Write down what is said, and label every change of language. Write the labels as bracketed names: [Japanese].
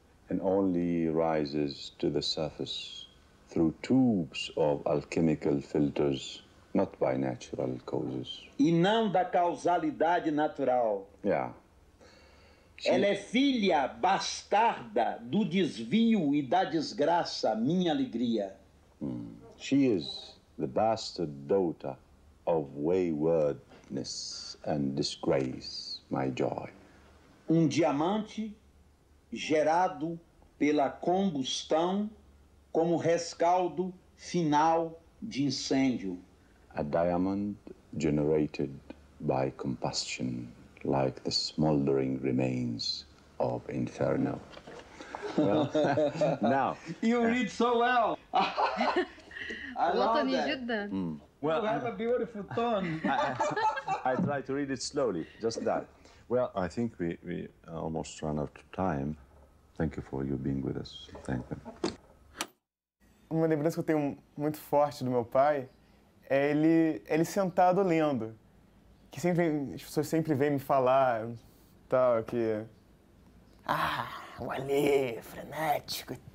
[English] And only rises to the surface through tubes of alchemical filters, not by natural causes. [Portuguese] E não da causalidade natural. [English] Yeah. [Portuguese] Ela é filha bastarda do desvio e da desgraça, minha alegria. [English] She is the bastard daughter of wayward darkness and disgrace my joy. [Portuguese] Um diamante gerado pela combustão como rescaldo final de incêndio. [English] A diamond generated by combustion, like the smoldering remains of inferno. Well, now you read so well. I love that. Mm. Well, you have a beautiful tone. I try to read it slowly, just that. Well, I think we almost run out of time. Thank you for you being with us. Thank you. [Portuguese] Uma lembrança que eu tenho muito forte do meu pai é ele sentado lendo. Que sempre as pessoas sempre vêm me falar tal que ah, o Alê, frenético.